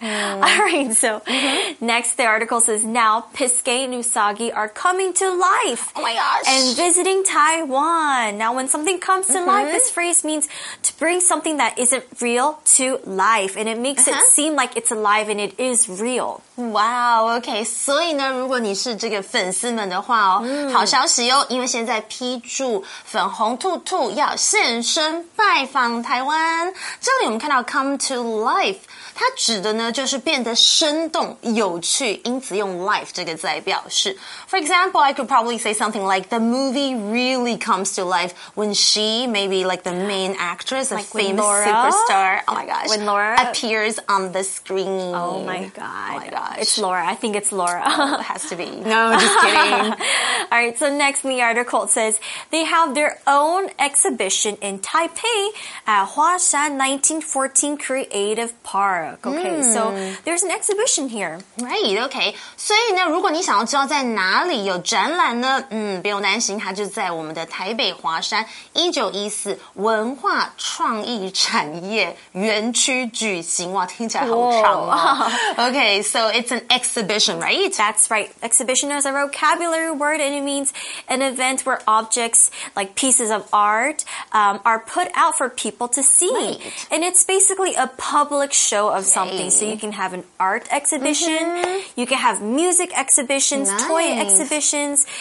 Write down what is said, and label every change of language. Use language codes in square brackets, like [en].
[en] All right, so next the article says, now Piskay and Usagi are coming to life. Oh my gosh. And visiting Taiwan. Now when something comes to life, this phrase means to bring something that isn't real to life. And it makes it seem like it's alive and it is real. Wow, okay. [zh] 所以呢如果你是这个粉丝们的话哦、好消息哦因为现在批注粉红兔兔要现身拜访台湾。这里我们看到 come to life, 它指的呢就是变得生动有趣因此用 life 这个字来表示。 [en] For example, I could probably say something like, the movie really comes to life when she, maybe like the main actress, like a famous superstar, oh my gosh, when Laura appears on the screen. Oh my god. Oh my god. It's Laura. I think it's Laura. It has to be. No, just kidding. All right, so next in the article it says, they have their own exhibition in Taipei at Huashan 1914 Creative Park. Okay, so there's an exhibition here. Right, okay. [zh] 所以呢如果你想要知道在哪里有展览呢不用担心它就在我们的台北华山1914文化创意产业园区举行。哇听起来好长啊。 [en] Okay, So it's an exhibition, right? That's right. Exhibition is a vocabulary word and it means an event where objects like pieces of art, are put out for people to see. Right. And it's basically a public show of something. So you can have an art exhibition, you can have music exhibitions, toy exhibitions.